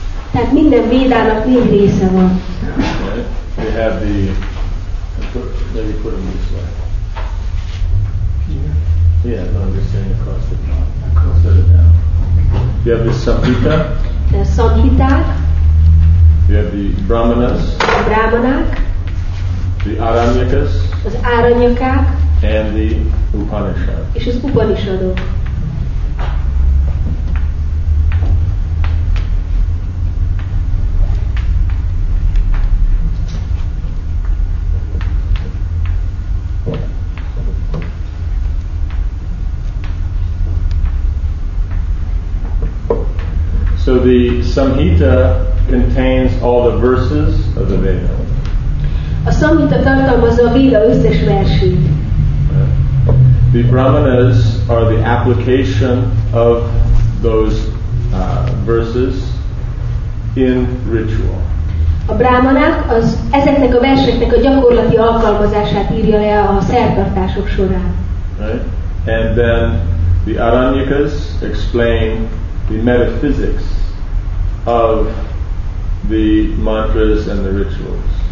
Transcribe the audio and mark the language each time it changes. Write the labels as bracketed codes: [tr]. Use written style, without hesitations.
[hu] Tehát minden Védának négy része van. [en] Okay. We have the, let me put it this way. Here. Yeah, I'm just saying across the top. Across the top. You have the Samhita. [hu] The Samhiták. [en] You have the Brahmanas. [hu] A Brahmanák. [en] The Aranyakas. [hu] Az Aranyakák. [en] And the Upanishad. [hu] És az Upanishadok. [en] So the Samhita contains all the verses of the Veda. [hu] A Samhita tartalmazza a Véda összes versét. [en] The Brahmanas are the application of those verses in ritual. [hu] A Brahmanák az ezeknek a verseknek a gyakorlati alkalmazását írja le a szertartások során. [en] Right? And then the Aranyakas explain the metaphysics of the mantras and the rituals.